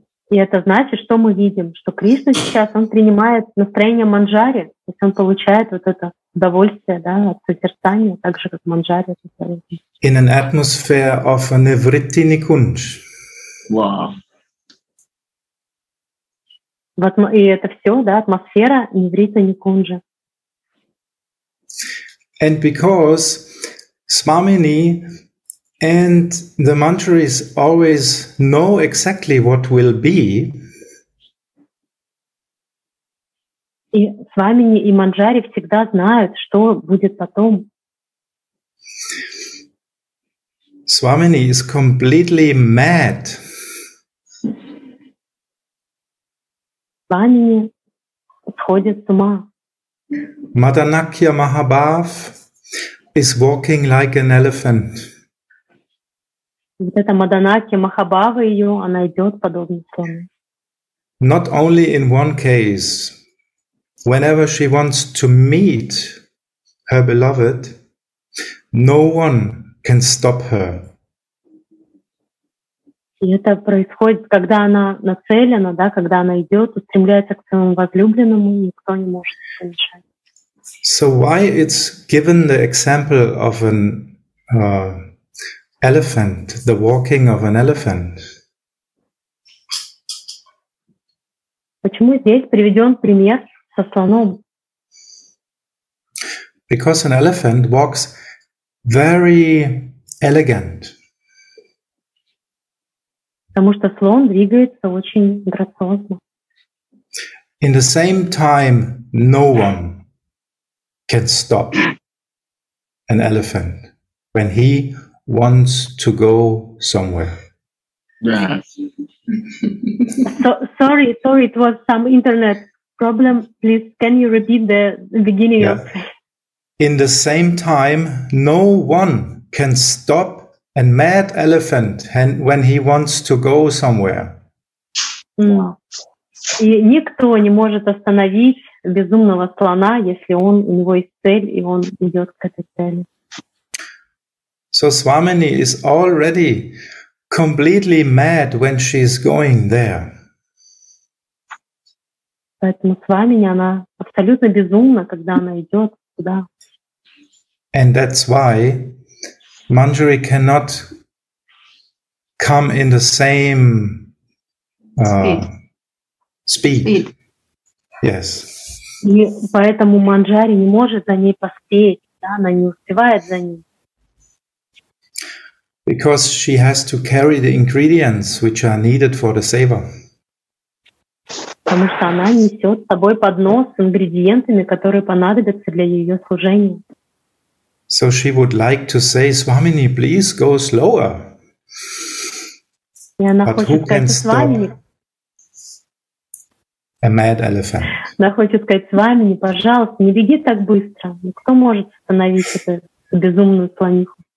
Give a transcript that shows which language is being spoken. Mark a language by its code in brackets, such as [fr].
[ru] И это значит, что мы видим, что Кришна сейчас, он принимает настроение Манджари, то есть он получает вот это удовольствие, да, от созерцания, так же, как Манджари. [en] In an atmosphere of a Nivritti Nikunj. Wow. [ru] И это все, да, атмосфера Nivritti Nikunja. [en] And because Swamini and the Manjaris always know exactly what will be. [ru] И Свамини и Манджари всегда знают, что будет потом. [en] Свамини is completely mad. [ru] Свамини сходит с ума. [en] Madanakya Mahabhav is walking like an elephant. [ru] Вот эта Маданакья Махабава ее, она идет подобно слону. [en] Not only in one case, whenever she wants to meet her beloved, no one can stop her. [ru] И это происходит, когда она нацелена, да, когда она идет, устремляется к своему возлюбленному, никто не может ей помешать. [en] So why it's given the example of an elephant, the walking of an elephant. [ru] Почему здесь приведен пример со слоном? [en] Because an elephant walks very elegant. Потому что слон двигается очень грациозно. In the same time, no one can stop an elephant when he wants to go somewhere. Yes. So, sorry, it was some internet problem. Please, can you repeat the beginning? Yeah. In the same time, no one can stop a mad elephant when he wants to go somewhere. [ru] И никто не может остановить безумного слона, если он, у него есть цель, и он идет к этой цели. [en] So Swamini is already completely mad when she is going there. [ru] Поэтому Свамини, она абсолютно безумна, когда она идет туда. [en] And that's why Manjari cannot come in the same speed. Yes. [ru] И поэтому Манджари не может за ней поспеть, да, она не успевает за ним. [en] Because she has to carry the ingredients which are needed for the seva. [ru] Потому что она несет с собой поднос с ингредиентами, которые понадобятся для ее служения. [en] So she would like to say, Swamini, please go slower. [ru] И она [en] But [ru] хочет сказать, Свамини, [en] a mad elephant. [ru] Она хочет сказать, Свамини, пожалуйста, не беги так быстро. Кто может остановить эту безумную слониху?